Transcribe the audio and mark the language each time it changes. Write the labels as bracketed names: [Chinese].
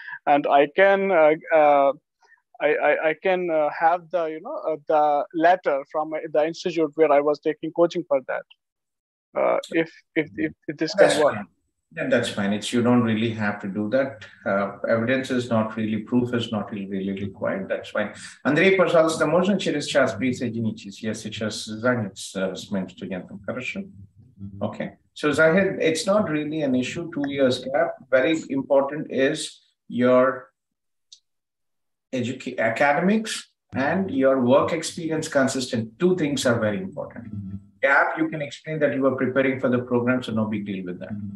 [English] And I can have the letter from the institute where I was taking coaching for that. If this can work. Yeah, that's fine. It's, you don't really have to do that. Evidence is not really, proof is not really required. That's fine. [Russian] Андрей, пожалуйста, можно через час присоединитесь? Я сейчас занят с моим студентом. Хорошо? [English] Okay. So, Zahid, it's not really an issue. 2 years gap. Very important is your academics and your work experience consistent. Two things are very important. Gap, you can explain that you were preparing for the program, so no big deal with that.